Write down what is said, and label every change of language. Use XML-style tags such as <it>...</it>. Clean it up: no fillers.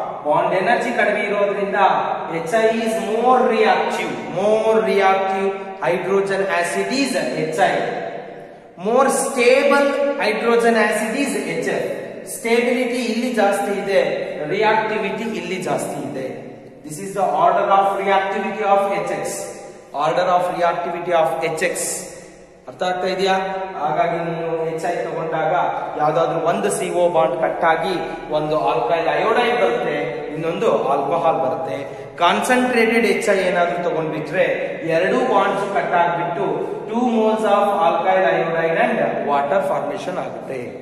<kn>Bond energy ಕಡಿಮೆ ಇರೋದ್ರಿಂದ</kn> <en>H I is more reactive, more reactive hydrogen acid is H I, more stable hydrogen acid is H F.</en> <kn>Stability ಇಲ್ಲಿ ಜಾಸ್ತಿ ಇದೆ, reactivity ಇಲ್ಲಿ ಜಾಸ್ತಿ ಇದೆ.</kn> <en>This is the order of reactivity of HX. Order of reactivity of HX.</en> <kn>ಅರ್ಥ ಆಗ್ತಾ ಇದೆಯಾ? ಹಾಗಾಗಿ ನೀವು ಹೆಚ್ಚಾಗಿ ತಗೊಂಡಾಗ ಯಾವ್ದಾದ್ರು ಒಂದು ಸಿಒ ಬಾಂಡ್ ಕಟ್ ಆಗಿ ಒಂದು ಆಲ್ಕೈಲ್ ಅಯೋಡೈಡ್ ಬರುತ್ತೆ, ಇನ್ನೊಂದು ಆಲ್ಕೋಹಾಲ್ ಬರುತ್ತೆ. ಕಾನ್ಸಂಟ್ರೇಟೆಡ್ ಹೆಚ್ ಐ ಏನಾದ್ರು ತಗೊಂಡ್ಬಿಟ್ರೆ ಎರಡು ಬಾಂಡ್ಸ್ ಕಟ್ ಆಗ್ಬಿಟ್ಟು two moles of alkyl iodide and water formation ಆಗುತ್ತೆ.</kn>